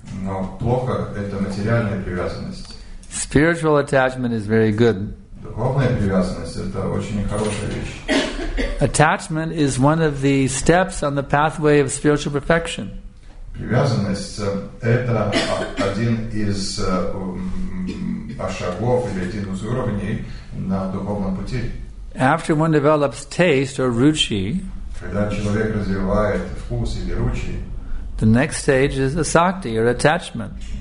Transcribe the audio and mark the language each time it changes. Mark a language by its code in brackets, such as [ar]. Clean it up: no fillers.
[ru] Но плохо это материальная привязанность. [en] Spiritual attachment is very good. [ru] Духовная привязанность это очень хорошая вещь. [en] Attachment is one of the steps on the pathway of spiritual perfection. [ru] Привязанность это один из шагов или один из уровней на духовном пути. [en] After one develops taste or ruchi. [ru] Когда человек развивает вкус или ручи, [en] the next stage is asakti or attachment.